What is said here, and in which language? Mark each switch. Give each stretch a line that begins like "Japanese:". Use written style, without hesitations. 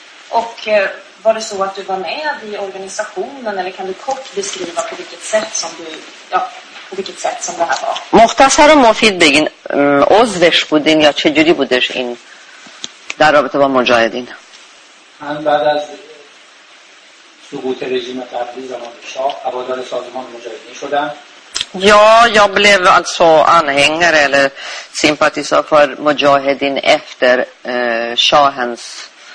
Swedish: اوک var det så att du var med i organisationen eller kan du kort beskriva på vilket sätt som du ja på vilket sätt som det här var
Persian: مختصر و مفید بگین عضوش بودین یا چه جوری بودش این در رابطه با مجاهدین من بعد از سقوط رژیم قبلی زمان شاه هوادار سازمان مجاهدین شدم
Swedish: یا jag blev alltså anhängare eller sympatisör för mujahedin efter shahens